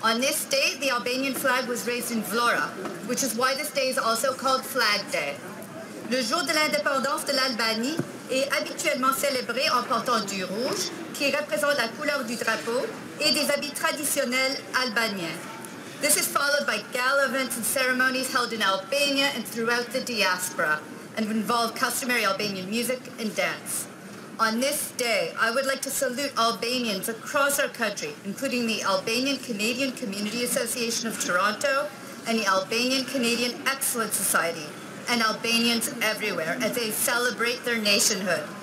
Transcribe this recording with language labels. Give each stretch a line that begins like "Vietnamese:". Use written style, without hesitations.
English: On this day, the Albanian flag was raised in Vlora, which is why this day is also called Flag Day.
French: Le jour de l'indépendance de l'Albanie est habituellement célébré en portant du rouge, qui représente la couleur du drapeau, et des habits traditionnels albaniens.
English: This is followed by gala events and ceremonies held in Albania and throughout the diaspora, and involve customary Albanian music and dance. On this day, I would like to salute Albanians across our country, including the Albanian Canadian Community Association of Toronto and the Albanian Canadian Excellence Society, and Albanians everywhere as they celebrate their nationhood.